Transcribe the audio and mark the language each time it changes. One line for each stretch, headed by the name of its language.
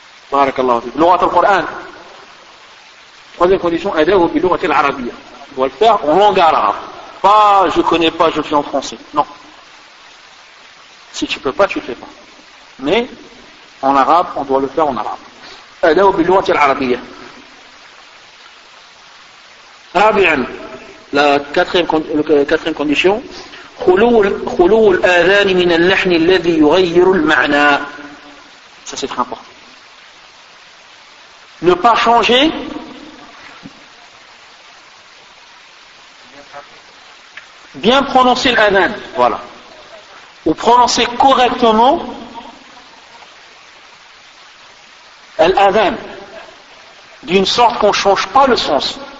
Arabic: Barakallahu fik. Lughati al-Qur'an.
French: Troisième condition,
Arabic: ada'uhu bil-lughati al-arabiyya.
French: Doit le faire en langue arabe. Pas je connais pas, je suis en français. Non. Si tu peux pas, tu fais pas. Mais en arabe, on doit le faire en arabe.
Arabic: هذا هو باللغة العربية. رابعا
French: لا كاتريم كونديسيون
Arabic: خلو الاذان من اللحن الذي يغير المعنى.
French: Ça c'est très important. Ne pas changer bien prononcer l'adhan, voilà, ou prononcer correctement l'adhan d'une sorte qu'on ne change pas le sens.